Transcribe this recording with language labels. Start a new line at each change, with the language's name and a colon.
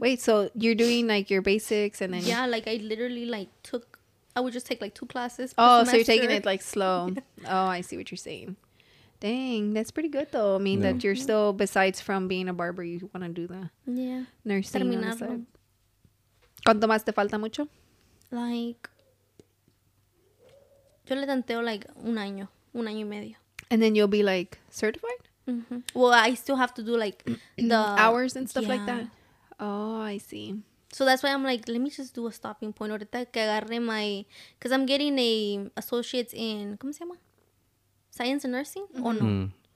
English: Wait, so you're doing, like, your basics and then... Yeah, like, I literally, like, took... I would just take, like, two classes per semester. Oh, so you're taking it, like, slow. Oh, I see what you're saying. Dang, that's pretty good though. I mean, that you're still, besides from being a barber, you want to do the nursing.
Spanish: Terminarlo. ¿Cuánto más te falta mucho?
English: Like,
Spanish: yo le tanteo like un año y medio.
English: And then you'll be like certified? Mm-hmm. Well, I still have to do like the hours and stuff like that. Oh, I see. So that's why I'm like, let me just do a stopping point.
Spanish: Ahorita que agarre
English: my, because I'm getting a associate's in,
Spanish: ¿cómo se llama?
English: Science and nursing, or no?